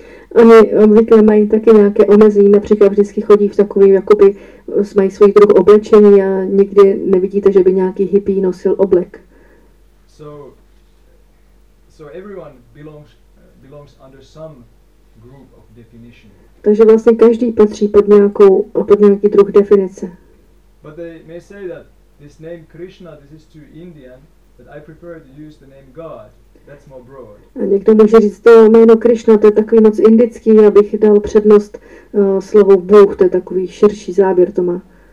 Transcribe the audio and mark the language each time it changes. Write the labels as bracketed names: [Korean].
[Czech] Oni obvykle mají taky nějaké omezení, například vždycky chodí v takovým, jakoby mají svůj druh oblečení a nikdy nevidíte, že by nějaký hippie nosil oblek. [English] So everyone belongs under some group of definition. [Czech] Takže vlastně každý patří pod nějaký druh definice. [English] But they may say that this name Krishna, this is too Indian, but I prefer to use the name God. That's more broad. [Czech] A někdo může říct, to jméno Krishna, to je takový moc indický, já bych dal přednost slovu Bůh, to je takový širší záběr to má.